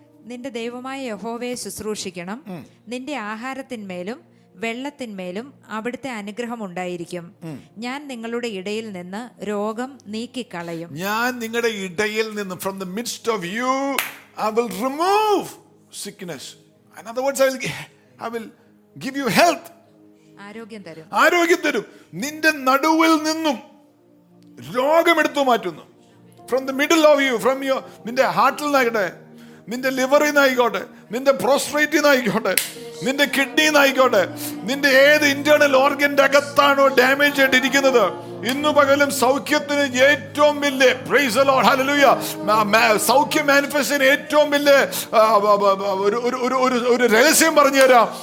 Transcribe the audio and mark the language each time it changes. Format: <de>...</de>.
<ml>നിന്റെ ദൈവമായ യഹോവയെ ശുശ്രൂഷിക്കണം, നിന്റെ ആഹാരത്തിന്മേലും വെള്ളത്തിന്മേലും അവിടുത്തെ അനുഗ്രഹം ഉണ്ടായിരിക്കും. ഞാൻ നിങ്ങളുടെ ഇടയിൽ നിന്ന് രോഗം നീക്കിക്കളയും. ഞാൻ നിങ്ങളുടെ ഇടയിൽ നിന്ന്</ml> <en>from the midst of you I will remove sickness. In other words, I will give you health.</en> <ml>ആരോഗ്യം തരും. ആരോഗ്യം തരും. നിന്റെ നടുവിൽ നിന്നും രോഗം എടുത്തു മാറ്റുന്നു.</ml> <en>From the middle of you, from your</en> <ml>നിന്റെ ഹാർട്ടിൽ നിന്നായിക്കോട്ടെ, നിന്റെ ലിവറിൽ നിന്നായിക്കോട്ടെ, നിന്റെ പ്രോസ്റ്റേറ്റിൽ നിന്നായിക്കോട്ടെ, നിന്റെ കിഡ്നിന്ന് ആയിക്കോട്ടെ, നിന്റെ ഏത് ഇന്റേണൽ ഓർഗന്റെ അകത്താണോ ഡാമേജ് ചെയ്തിരിക്കുന്നത്, ഇന്നു പകലും സൗഖ്യത്തിന് ഏറ്റവും വലിയ praise the Lord hallelujah സൗഖ്യ manifestation ഏറ്റവും വലിയ രഹസ്യം പറഞ്ഞു തരാം.</ml>